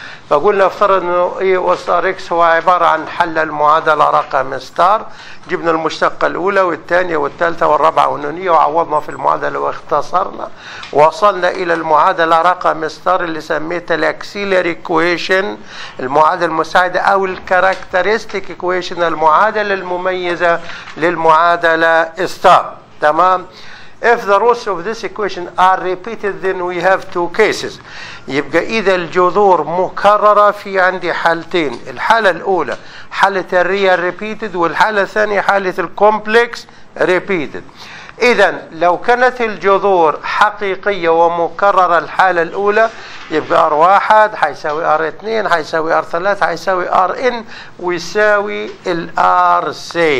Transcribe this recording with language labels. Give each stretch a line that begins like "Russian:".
Arabic: فقلنا افترض انه اي وستار اكس هو عبارة عن حل المعادلة رقم ستار، جبنا المشتقة الاولى والثانية والثالثة والرابعة والنونية وعوضنا في المعادلة واختصرنا، وصلنا الى المعادلة رقم ستار اللي سميتها الاكسيلري كويشن، المعادلة المساعدة او الكاركترستيك كويشن، المعادلة المميزة للمعادلة ستار. تمام؟
English: If the roots of this equation are repeated then we have two cases.
Arabic: يبقى إذا الجذور مكررة في عندي حالتين، الحالة الأولى حالة الريال repeated، والحالة الثانية حالة الكومبلكس repeated. إذا لو كانت الجذور حقيقية ومكررة الحالة الأولى، يبقى R1 حيساوي R2 حيساوي R3 حيساوي Rn ويساوي ال Rc.